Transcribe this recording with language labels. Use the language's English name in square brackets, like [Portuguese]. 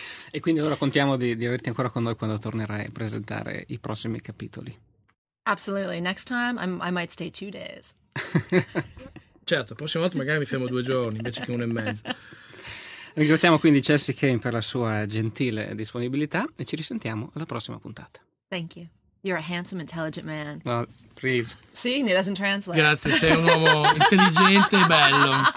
[Italian] E quindi allora contiamo di averti ancora con noi quando tornerai a presentare i prossimi capitoli. [English] Absolutely, next time I might stay 2 days. [Italian] Certo, la prossima volta magari mi fermo 2 giorni invece che 1 e mezzo. Ringraziamo quindi Chelsea Kane per la sua gentile disponibilità e ci risentiamo alla prossima puntata. [English] Thank you. You're a handsome, intelligent man. Well, please. See, it doesn't translate. [Italian] Grazie, sei un uomo intelligente e bello.